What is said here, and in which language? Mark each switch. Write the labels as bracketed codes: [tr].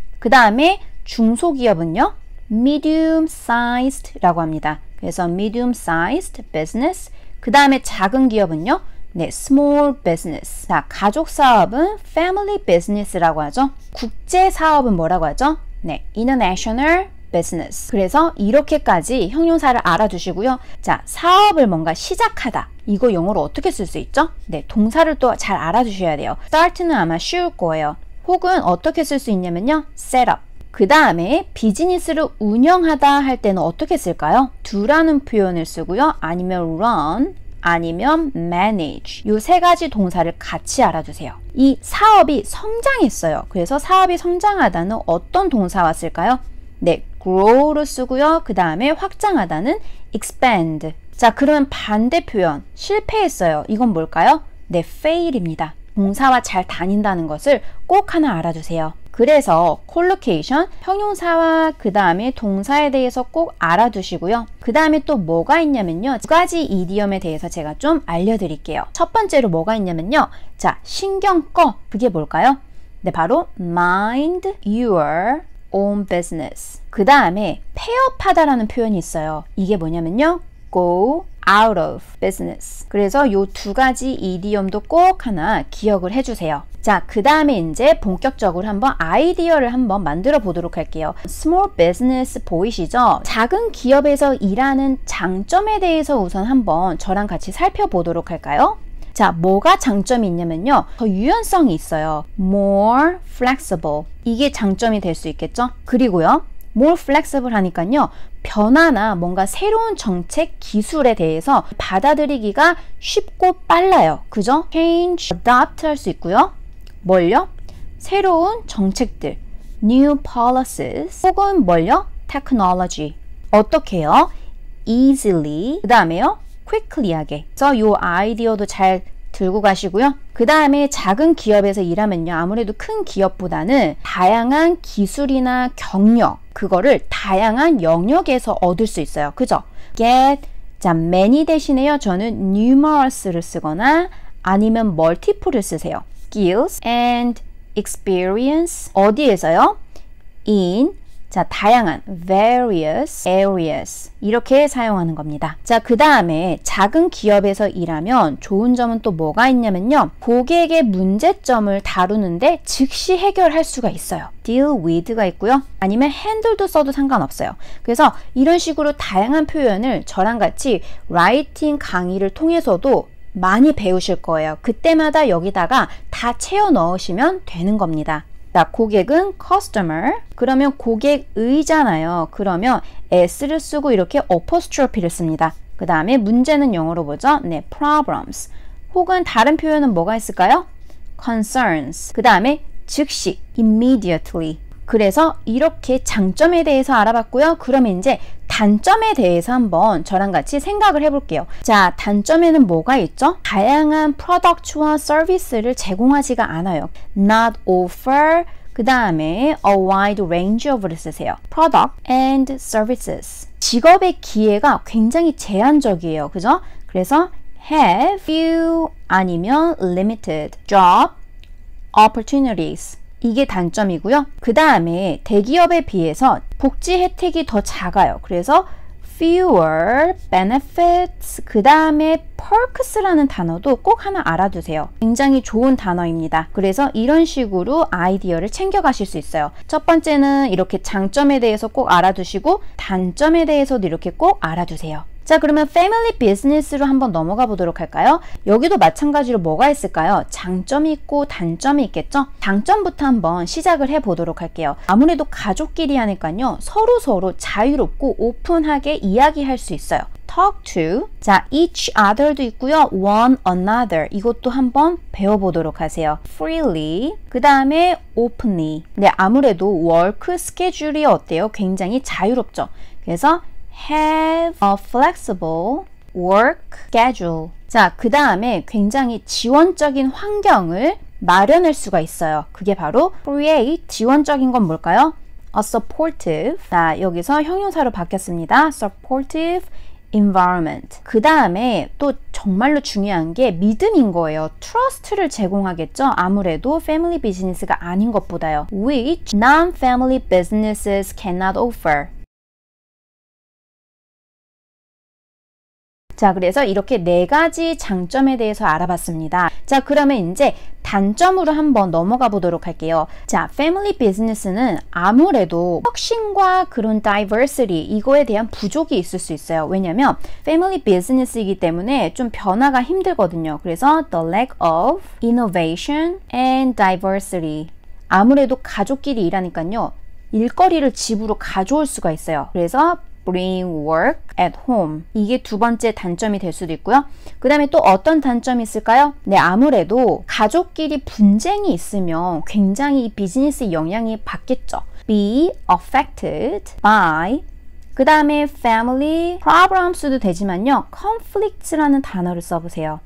[ko] 그 다음에 중소기업은요, medium-sized 라고 합니다. 그래서 [en] medium-sized business, [ko] 그 다음에 작은 기업은요, 네, [en] small business. [ko] 자, 가족 사업은 [en] family business [ko] 라고 하죠. 국제 사업은 뭐라고 하죠? [en] 네, international business. [ko] 그래서 이렇게까지 형용사를 알아두시고요. 자, 사업을 뭔가 시작하다. 이거 영어로 어떻게 쓸 수 있죠? 네, 동사를 또 잘 알아주셔야 돼요. start는 아마 쉬울 거예요. 혹은 어떻게 쓸 수 있냐면요, [en] set up. [ko] 그 다음에 비즈니스를 운영하다 할 때는 어떻게 쓸까요? do라는 표현을 쓰고요. 아니면 run, 아니면 manage. 요 세 가지 동사를 같이 알아두세요. 이 사업이 성장했어요. 그래서 사업이 성장하다는 어떤 동사와 쓸까요? 네, grow를 쓰고요. 그 다음에 확장하다는 expand. 자, 그러면 반대 표현, 실패했어요. 이건 뭘까요? 네, fail입니다. 동사와 잘 다닌다는 것을 꼭 하나 알아주세요. 그래서 collocation, 형용사와 그 다음에 동사에 대해서 꼭 알아두시고요. 그 다음에 또 뭐가 있냐면요. 두 가지 이디엄에 대해서 제가 좀 알려드릴게요. 첫 번째로 뭐가 있냐면요. 자, 신경 꺼. 그게 뭘까요? [en] 네, 바로 mind your own business. [ko] 그 다음에 폐업하다라는 표현이 있어요. 이게 뭐냐면요. [en] go out of business. 그래서 요 두 가지 이디엄도 꼭 하나 기억을 해주세요. [ko] 자, 그 다음에 이제 본격적으로 한번 아이디어를 한번 만들어 보도록 할게요. [en] small business [ko] 보이시죠? 작은 기업에서 일하는 장점에 대해서 우선 한번 저랑 같이 살펴보도록 할까요? 자, 뭐가 장점이 있냐면요. 더 유연성이 있어요. [en] more flexible. [ko] 이게 장점이 될 수 있겠죠? 그리고요. [en] more flexible [ko] 하니까요. 변화나 뭔가 새로운 정책, 기술에 대해서 받아들이기가 쉽고 빨라요. 그죠? change, adopt 할 수 있고요. 뭘요? 새로운 정책들, [en] new policies, [ko] 혹은 뭘요? technology. 어떻게요? easily, 그 다음에요? quickly 하게. 그래서 요 아이디어도 잘 들고 가시고요. 그 다음에 작은 기업에서 일하면요. 아무래도 큰 기업보다는 다양한 기술이나 경력, 그거를 다양한 영역에서 얻을 수 있어요. 그죠? get, 자, many 대신에요. 저는 numerous를 쓰거나 아니면 multiple를 쓰세요. [en] skills and experience. [ko] 어디에서요? [en] in, [ko] 자, 다양한 [en] various areas. [ko] 이렇게 사용하는 겁니다. 자, 그 다음에 작은 기업에서 일하면 좋은 점은 또 뭐가 있냐면요. 고객의 문제점을 다루는데 즉시 해결할 수가 있어요. deal with가 있고요. 아니면 handle도 써도 상관없어요. 그래서 이런 식으로 다양한 표현을 저랑 같이 라이팅 강의를 통해서도 많이 배우실 거예요. 그때마다 여기다가 다 채워 넣으시면 되는 겁니다. 자, 고객은 customer. 그러면 고객의잖아요. 그러면 s를 쓰고 이렇게 apostrophe를 씁니다. 그 다음에 문제는 영어로 보죠. 네, problems. 혹은 다른 표현은 뭐가 있을까요? concerns. 그 다음에 즉시, immediately. 그래서 이렇게 장점에 대해서 알아봤고요. 그럼 이제 단점에 대해서 한번 저랑 같이 생각을 해볼게요. 자, 단점에는 뭐가 있죠? 다양한 프로덕트와 서비스를 제공하지가 않아요. [en] Not offer, [ko] 그 다음에 [en] a wide range of를 쓰세요. Product and services. [ko] 직업의 기회가 굉장히 제한적이에요. 그죠? 그래서 [en] have, few, [ko] 아니면 [en] limited. [ko] Job, opportunities. 이게 단점이고요. 그 다음에 대기업에 비해서 복지 혜택이 더 작아요. 그래서 [en] fewer benefits, [ko] 그 다음에 perks라는 단어도 꼭 하나 알아두세요. 굉장히 좋은 단어입니다. 그래서 이런 식으로 아이디어를 챙겨가실 수 있어요. 첫 번째는 이렇게 장점에 대해서 꼭 알아두시고 단점에 대해서도 이렇게 꼭 알아두세요. 자, 그러면 패밀리 비즈니스로 한번 넘어가 보도록 할까요? 여기도 마찬가지로 뭐가 있을까요? 장점이 있고 단점이 있겠죠? 장점부터 한번 시작을 해 보도록 할게요. 아무래도 가족끼리 하니까요. 서로서로 자유롭고 오픈하게 이야기할 수 있어요. [en] talk to, 자, each other도 있고요. one another, [ko] 이것도 한번 배워보도록 하세요. freely, 그 다음에 openly. 네, 아무래도 워크 스케줄이 어때요? 굉장히 자유롭죠? [en] 그래서 have a flexible work schedule. [ko] 자, 그 다음에 굉장히 지원적인 환경을 마련할 수가 있어요. 그게 바로 create. 지원적인 건 뭘까요? [en] a supportive. [ko] 자, 여기서 형용사로 바뀌었습니다. [en] supportive environment. [ko] 그 다음에 또 정말로 중요한 게 믿음인 거예요. trust를 제공하겠죠. 아무래도 [en] family business [ko] 가 아닌 것보다요. [en] which non-family businesses cannot offer. [ko] 자, 그래서 이렇게 네 가지 장점에 대해서 알아봤습니다. 자, 그러면 이제 단점으로 한번 넘어가 보도록 할게요. 자, 패밀리 비즈니스는 아무래도 혁신과 그런 다이버시티, 이거에 대한 부족이 있을 수 있어요. 왜냐면 패밀리 비즈니스이기 때문에 좀 변화가 힘들거든요. [en] 그래서 the lack of innovation and diversity. [ko] 아무래도 가족끼리 일하니까요. 일거리를 집으로 가져올 수가 있어요. [en] 그래서 bring work at home. [ko] 이게 두 번째 단점이 될 수도 있고요. 그 다음에 또 어떤 단점이 있을까요? 네, 아무래도 가족끼리 분쟁이 있으면 굉장히 비즈니스 영향이 받겠죠. [en] be affected by [ko] 그 다음에 [en] family problems [ko] 도 되지만요. conflicts라는 단어를 써보세요.